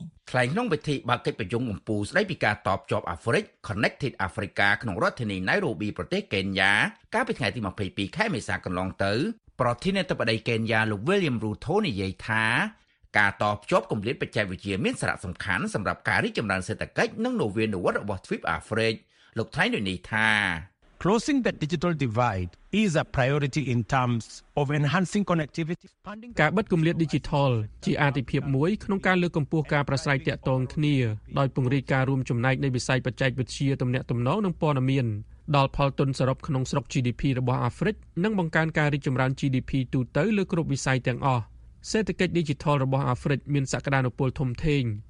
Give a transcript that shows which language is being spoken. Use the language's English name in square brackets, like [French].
[Khmer] ខ្លែងក្នុងវិធីបើកកិច្ចប្រជុំកំពូលស្តីពីការតភ្ជាប់អាហ្វ្រិក Connected Africa ក្នុងរដ្ឋធានី Nairobi ប្រទេសកេនយ៉ាកាលពីថ្ងៃទី22ខែមេសាកន្លងទៅប្រធានាធិបតីកេនយ៉ាលោក William Ruto និយាយថាការតភ្ជាប់គម្លាតបច្ចេកវិទ្យាមានសារៈសំខាន់សម្រាប់ការរីកចម្រើនសេដ្ឋកិច្ចនិងនវានុវត្តន៍របស់ទ្វីបអាហ្វ្រិកលោកថៃនេះថា [English] Closing that digital divide is a priority in terms of enhancing connectivity funding [Khmer] ការបិទគម្លាតឌីជីថលជាអាទិភាពមួយក្នុងការលើកកម្ពស់ការប្រស្រ័យទាក់ទងគ្នាដោយពង្រីកការរួមចំណែកនៃវិស័យបច្ចេកវិទ្យាទំនាក់ទំនងនិងព័ត៌មានដល់ផលទុនសរុបក្នុងស្រុក GDP របស់អាហ្វ្រិកនិងបង្កើនការរីកចម្រើន GDP ទូទៅលើគ្រប់វិស័យទាំងអស់សេដ្ឋកិច្ចឌីជីថលរបស់អាហ្វ្រិកមានសក្តានុពលធំធេង